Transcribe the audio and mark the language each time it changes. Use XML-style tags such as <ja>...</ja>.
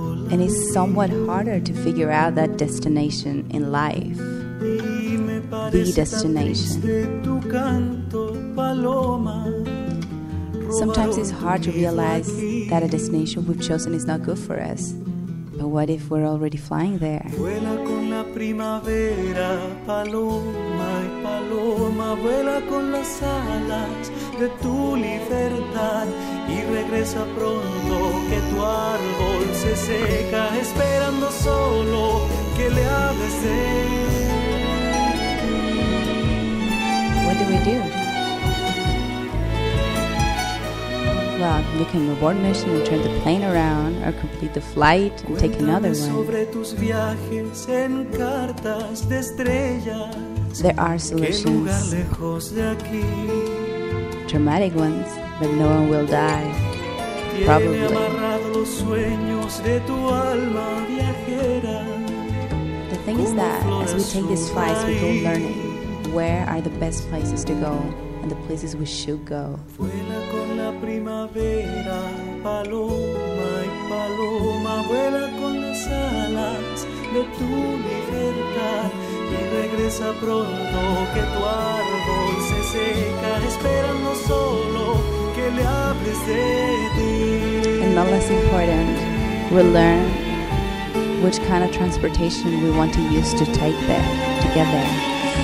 <en>And it's somewhat harder to figure out that destination in life. The destination. Sometimes it's hard to realize that a destination we've chosen is not good for us. But what if we're already flying there?</en> <es>Vuela con la primavera, paloma, y paloma, vuela con las alas de tu libertad y regresa pronto que tu árbol se seca esperando solo que le hables.</es> <en>What do we do? Well, you can abort mission and turn the plane around, or complete the flight and take another one. There are solutions. Dramatic ones, but no one will die. Probably. The thing is that as we take these flights, we go learning where are the best places to go and the places we should go.</en> <es>Primavera, paloma y paloma, vuela con las alas de tu libertad y regresa pronto que tu árbol se seca esperando solo que le hables de ti.</es> <en>And not less important, we'll learn which kind of transportation we want to use to take there, to get there.</en>